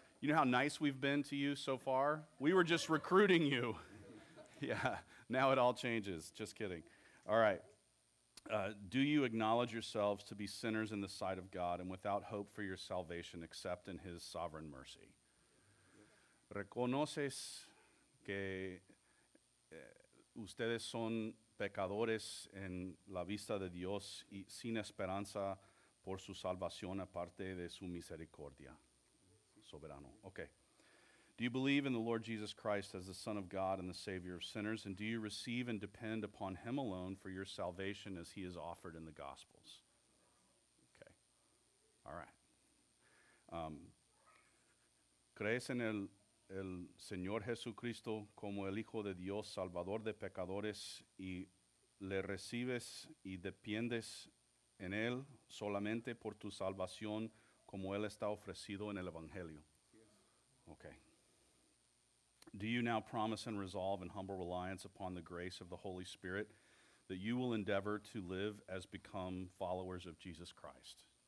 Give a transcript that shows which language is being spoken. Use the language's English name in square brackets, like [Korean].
[English] You know how nice we've been to you so far? We were just recruiting you. Yeah. Now it all changes. Just kidding. All right. Do you acknowledge yourselves to be sinners in the sight of God and without hope for your salvation except in his sovereign mercy? Yeah. [Spanish] Reconoces que ustedes son pecadores en la vista de Dios y sin esperanza por su salvación aparte de su misericordia. Soberano. Okay. [English] Do you believe in the Lord Jesus Christ as the Son of God and the Savior of sinners? And do you receive and depend upon him alone for your salvation as he is offered in the Gospels? Okay. All right. [Spanish] ¿Crees en el Señor Jesucristo como el Hijo de Dios, Salvador de pecadores, y le recibes y dependes en él solamente por tu salvación como él está ofrecido en el Evangelio? [English] Okay. Do you now promise and resolve in humble reliance upon the grace of the Holy Spirit that you will endeavor to live as become followers of Jesus Christ?